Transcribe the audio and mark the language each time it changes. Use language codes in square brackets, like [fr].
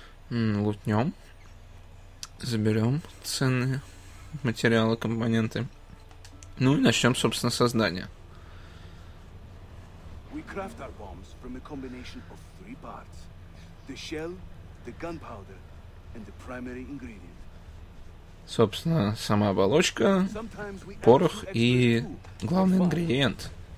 [ru] Лутнем. Заберем ценные материалы, компоненты. Ну и начнем, собственно, создание. [en] craft our bombs from a combination of three parts. The shell, the gunpowder, and the primary ingredient. [ru] Собственно, сама оболочка, порох и главный ингредиент.